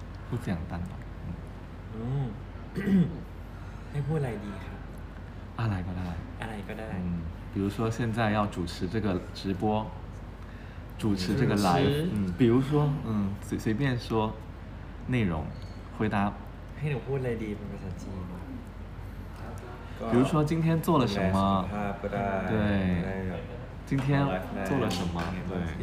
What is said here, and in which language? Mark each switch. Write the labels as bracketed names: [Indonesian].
[Chinese] 不简单吧？ [Thai] ให้พูดอะไรดีครับ อะไรก็ได้ [Chinese] 比如说现在要主持这个直播，主持这个 live，比如说随便说内容，回答。 [Thai] ให้หนูพูดอะไรดีเป็นภาษาจีนมา [Chinese] 比如说今天做了什么对今天做了什么对